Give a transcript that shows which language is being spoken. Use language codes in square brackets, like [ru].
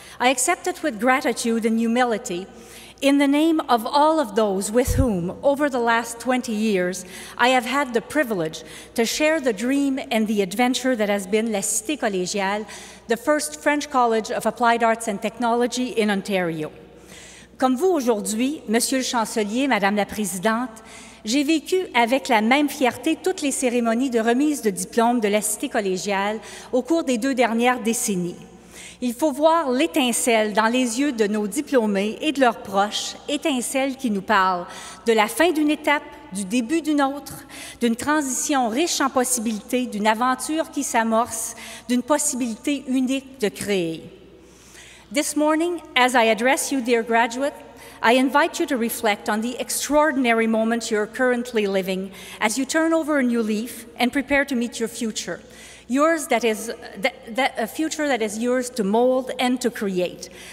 [en] I accept it with gratitude and humility in the name of all of those with whom, over the last 20 years, I have had the privilege to share the dream and the adventure that has been La Cité Collégiale, the first French college of applied arts and technology in Ontario. [fr] Comme vous aujourd'hui, Monsieur le Chancelier, Madame la Présidente, j'ai vécu avec la même fierté toutes les cérémonies de remise de diplômes de la Cité Collégiale au cours des deux dernières décennies. Il faut voir l'étincelle dans les yeux de nos diplômés et de leurs proches, étincelle qui nous parle de la fin d'une étape, du début d'une autre, d'une transition riche en possibilités, d'une aventure qui s'amorce, d'une possibilité unique de créer. [en] This morning, as I address you, dear graduate, I invite you to reflect on the extraordinary moment you are currently living as you turn over a new leaf and prepare to meet your future. Yours that is a future that is yours to mold and to create.